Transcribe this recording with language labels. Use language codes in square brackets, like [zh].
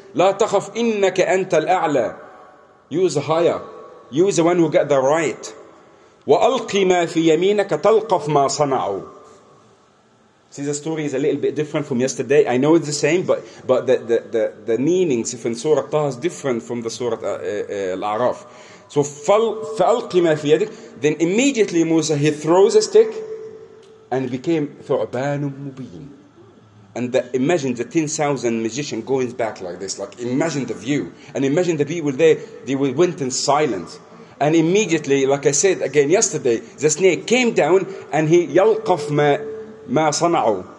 [ar] لَا تَخَفْ إِنَّكَ أَنْتَ الْأَعْلَى. [en] You is the higher. You is the one who got the right. [ar] وَأَلْقِ مَا فِي يَمِينَكَ تَلْقَفْ مَا صَنَعُوا. [en] See, the story is a little bit different from yesterday. I know it's the same, but the meanings in Surah Taha is different from the Surah Al-A'raf. [ar] So, فَأَلْقِ مَا فِي يَدِكَ. [en] Then immediately Musa, he throws a stick and became [ar] ثُعْبَانٌ مُبِينٌ. [en] And imagine the 10,000 magicians going back like this. Like, imagine the view. And imagine the people there, they went in silence. And immediately, like I said again yesterday, the snake came down and he [ar] yalqaf ma sana'u.